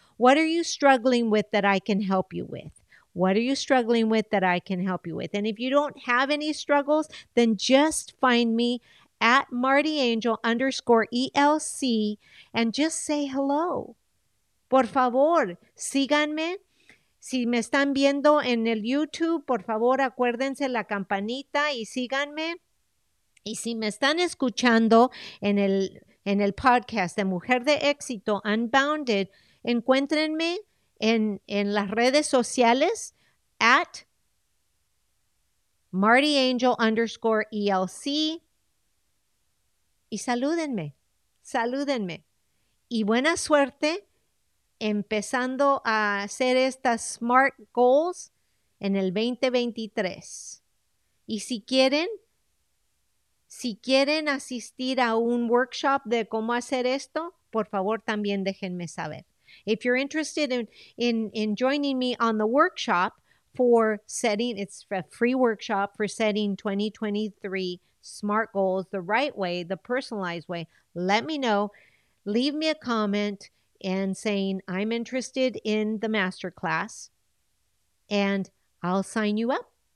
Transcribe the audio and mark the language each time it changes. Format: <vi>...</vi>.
<en>What are you struggling with that I can help you with? What are you struggling with that I can help you with? And if you don't have any struggles, then just find me at MartyAngel_ELC and just say hello.</en> <es>Por favor, síganme. Si me están viendo en el YouTube, por favor, acuérdense la campanita y síganme. Y si me están escuchando en el podcast de Mujer de Éxito Unbounded, encuéntrenme en las redes sociales at MartyAngel_ELC y salúdenme, salúdenme. Y buena suerte empezando a hacer estas SMART goals en el 2023. Y si quieren asistir a un workshop de cómo hacer esto, por favor, también déjenme saber.</es> <en>If you're interested in joining me on the workshop for setting, it's a free workshop for setting 2023 SMART goals the right way, the personalized way, let me know. Leave me a comment and saying, I'm interested in the masterclass, and I'll sign you up.</en>